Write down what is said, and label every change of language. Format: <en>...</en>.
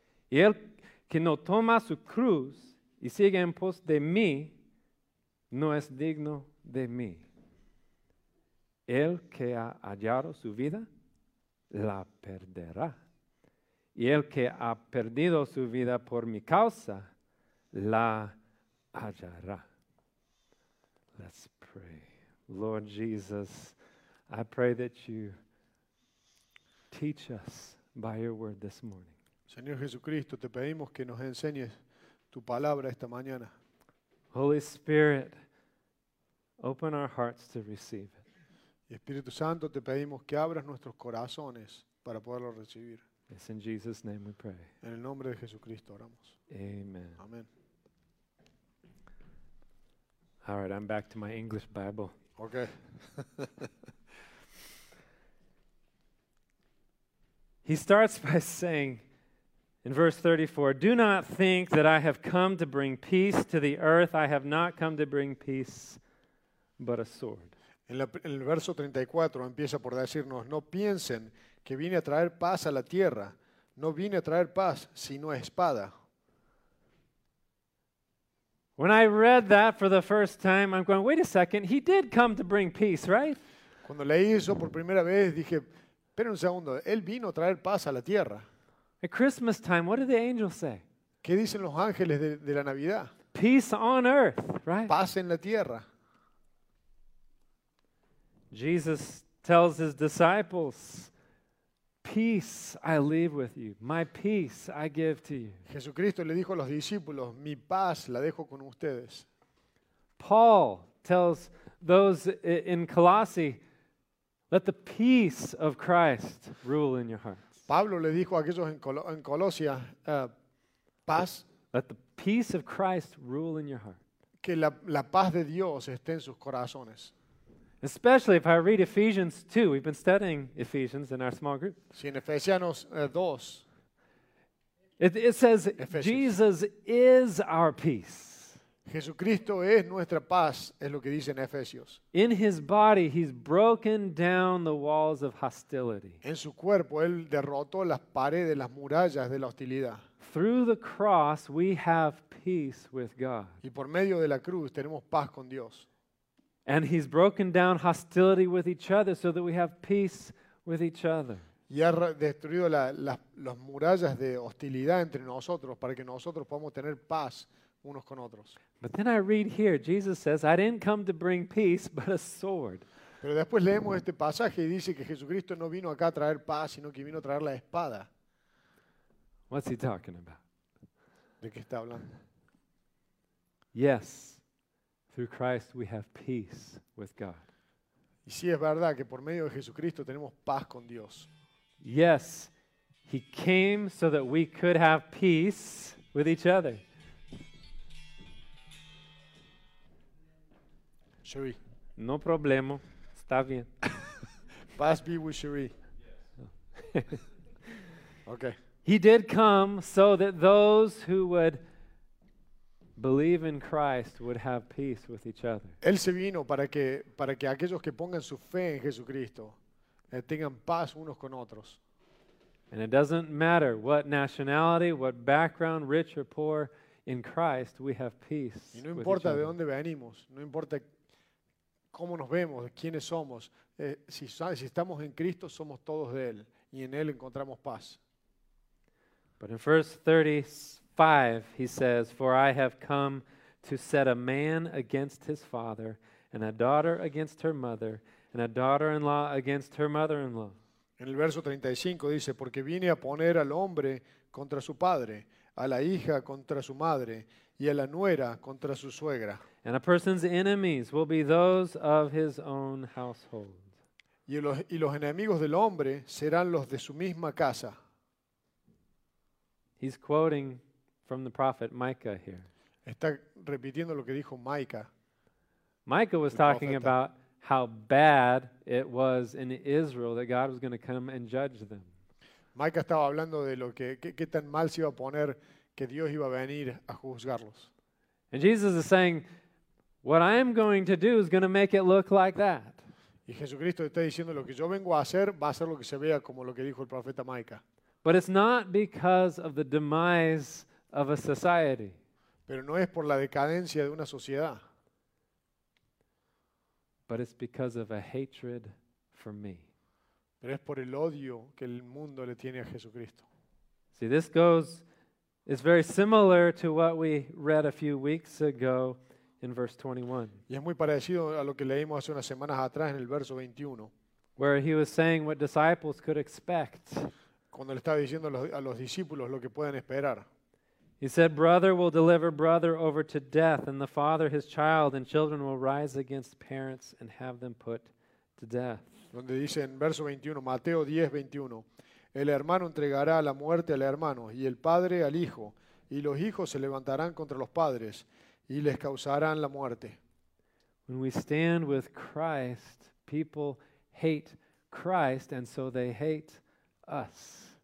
<es>Y el que no toma su cruz y sigue en pos de mí, no es digno de mí. El que ha hallado su vida, la perderá. Y el que ha perdido su vida por mi causa, la hallará.</es> <en>Let's pray. Lord Jesus, I pray that you teach us by your word this morning.</en> <es>Señor Jesucristo, te pedimos que nos enseñes tu palabra esta mañana.</es> <en>Holy Spirit, open our hearts to receive it.</en> <es>Y Espíritu Santo, te pedimos que abras nuestros corazones para poderlo recibir.</es> <en>It's in Jesus' name we pray.</en> <es>En el nombre de Jesucristo oramos.</es> <en>Amen.</en> <es>Amen.</es> <en>All right, I'm back to my English Bible. Okay. He starts by saying in verse 34, "Do not think that I have come to bring peace to the earth. I have not come to bring peace, but a sword."</en> <es>En el verso 34 empieza por decirnos, "No piensen que vine a traer paz a la tierra. No vine a traer paz, sino espada."</es> <en>When I read that for the first time, I'm going, "Wait a second, he did come to bring peace, right?"</en> <es>Cuando leí eso por primera vez, dije, "Espera un segundo, él vino a traer paz a la tierra."</es> <en>At Christmas time, what do the angels say?</en> <es>¿Qué dicen los ángeles de la Navidad?</es> <en>Peace on earth, right?</en> <es>Paz en la tierra.</es> <en>Jesus tells his disciples, "Peace I leave with you. My peace I give to you."</en> <es>Jesucristo le dijo a los discípulos, "Mi paz la dejo con ustedes."</es> <en>Paul tells those in Colossae, "Let the peace of Christ rule in your hearts."</en> <es>Pablo le dijo a aquellos en Colosia, "Paz,</es> <en>let the peace of Christ rule in your heart."</en> <es>Que la paz de Dios esté en sus corazones.</es> <en>Especially if I read Ephesians 2. We've been studying Ephesians in our small group.</en> <es>Sí, en Efesianos 2.</es> <en>It says, Efesios. Jesus is our peace.</en> <es>Jesucristo es nuestra paz, es lo que dice en Efesios.</es> <en>In his body, he's broken down the walls of hostility.</en> <es>En su cuerpo, él derrotó las paredes, las murallas de la hostilidad.</es> <en>Through the cross, we have peace with God.</en> <es>Y por medio de la cruz, tenemos paz con Dios.</es> <en>And he's broken down hostility with each other so that we have peace with each other.</en> <es>Y ha destruido las murallas de hostilidad entre nosotros para que nosotros podamos tener paz unos con otros.</es> <en>But then I read here, Jesus says, "I didn't come to bring peace, but a sword."</en> <es>Pero después leemos este pasaje y dice que Jesucristo no vino acá a traer paz, sino que vino a traer la espada.</es> <en>What's he talking about?</en> <es>¿De qué está hablando?</es> <en>Yes. Through Christ we have peace with God.</en> <es>Y sí, es verdad que por medio de Jesucristo tenemos paz con Dios.</es> <en>Yes, he came so that we could have peace with each other. Cherie.</en> <es>No problema, está bien.</es> <en>Paz be with Cherie. Yes. Okay. He did come so that those who would believe in Christ would have peace with each other.</en> <es>Él se vino para que aquellos que pongan su fe en Jesucristo tengan paz unos con otros.</es> <en>And it doesn't matter what nationality, what background, rich or poor, in Christ we have peace.</en> <es>Y no importa de dónde venimos, no importa cómo nos vemos, quiénes somos, si estamos en Cristo somos todos de él y en él encontramos paz.</es> <en>But in verse 35 he says, "For I have come to set a man against his father, and a daughter against her mother, and a daughter-in-law against her mother-in-law."</en> <es>En el verso 35 dice, "Porque vine a poner al hombre contra su padre, a la hija contra su madre, y a la nuera contra su suegra."</es> <en>And a person's enemies will be those of his own household.</en> <es>Y los enemigos del hombre serán los de su misma casa.</es> <en>He's quoting from the prophet Micah here.</en> <es>Está repitiendo lo que dijo Micah.</es> <en>Micah was talking about how bad it was in Israel that God was going to come and judge them.</en> <es>Micah estaba hablando de lo que tan mal se iba a poner que Dios iba a venir a juzgarlos.</es> <en>And Jesus is saying, what I am going to do is going to make it look like that.</en> <es>Y Jesucristo está diciendo lo que yo vengo a hacer va a ser lo que se vea como lo que dijo el profeta Micah.</es> <en>But it's not because of the demise of a society.</en> <es>Pero no es por la decadencia de una sociedad.</es> <en>But it's because of a hatred for me.</en> <es>Pero es por el odio que el mundo le tiene a Jesucristo.</es> <en>See, this is very similar to what we read a few weeks ago in verse 21.</en> <es>Y es muy parecido a lo que leímos hace unas semanas atrás en el verso 21.</es> <en>Where he was saying what disciples could expect.</en> <es>Cuando le estaba diciendo a los discípulos lo que pueden esperar.</es> <en>He said, brother will deliver brother over to death, and the father his child, and children will rise against parents and have them put to death.</en> <es>Donde dice en verso 21, Mateo 10, 21, el hermano entregará la muerte al hermano, y el padre al hijo, y los hijos se levantarán contra los padres, y les causarán la muerte.</es> <en>When we stand with Christ, people hate Christ, and so they hate us.</en>